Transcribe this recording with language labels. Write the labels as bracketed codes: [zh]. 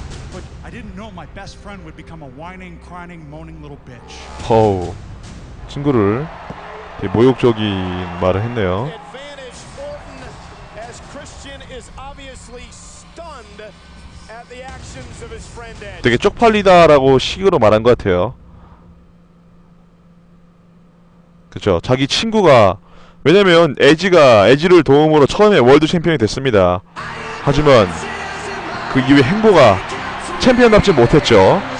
[en] But I didn't know my best friend would become a whining, crying, moaning little bitch. [ko] 허우, 친구를 되게 모욕적인 말을 했네요. [en] Advantage Orton as Christian is obviously stunned at the actions of his friend Edge. [ko] 되게 쪽팔리다라고 식으로 말한 것 같아요. 그렇죠. 자기 친구가 왜냐면 에지가 에지를 도움으로 처음에 월드 챔피언이 됐습니다. 하지만 그 이후에 행보가 챔피언답지 못했죠.